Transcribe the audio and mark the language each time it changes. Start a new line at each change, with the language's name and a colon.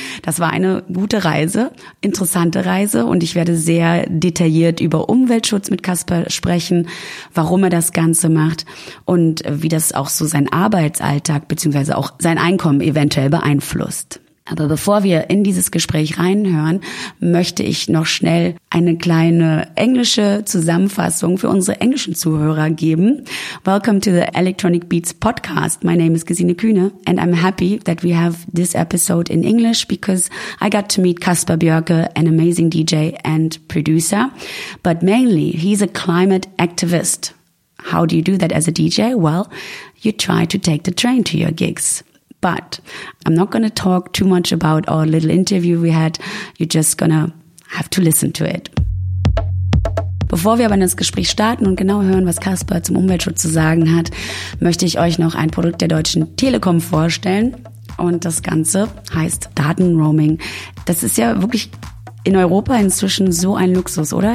German: Das war eine gute Reise, interessante Reise. Und ich werde sehr detailliert über Umweltschutz mit Kasper sprechen, warum er das Ganze macht und wie das auch so seinen Arbeitsalltag bzw. auch sein Einkommen eventuell beeinflusst. Aber bevor wir in dieses Gespräch reinhören, möchte ich noch schnell eine kleine englische Zusammenfassung für unsere englischen Zuhörer geben.
English: Welcome to the Electronic Beats Podcast. My name is Gesine Kühne and I'm happy that we have this episode in English because I got to meet Kasper Bjørke, an amazing DJ and producer. But mainly, he's a climate activist. How do you do that as a DJ? Well, you try to take the train to your gigs. But I'm not going to talk too much about our little interview we had. You're just going to have to listen to it.
German: Bevor wir aber in das Gespräch starten und genau hören, was Kasper zum Umweltschutz zu sagen hat, möchte ich euch noch ein Produkt der Deutschen Telekom vorstellen. Und das Ganze heißt Datenroaming. Das ist ja wirklich in Europa inzwischen so ein Luxus, oder?